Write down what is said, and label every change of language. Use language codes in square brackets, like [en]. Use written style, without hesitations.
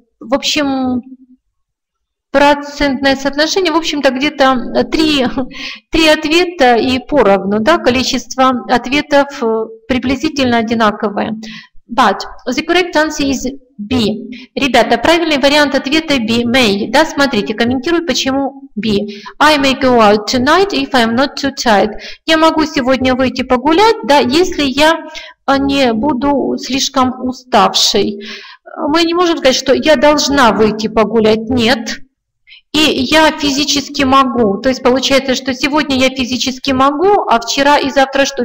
[ru] В общем, процентное соотношение, в общем-то, где-то три ответа и поровну, да, количество ответов приблизительно одинаковое. [en] But the correct answer is B. [ru] Ребята, правильный вариант ответа B. [en] May. [ru] Да, смотрите, комментирую, почему B. [en] I may go out tonight if I'm not too tired. [ru] Я могу сегодня выйти погулять, да, если я не буду слишком уставшей. Мы не можем сказать, что я должна выйти погулять. Нет. И я физически могу. То есть получается, что сегодня я физически могу, а вчера и завтра что?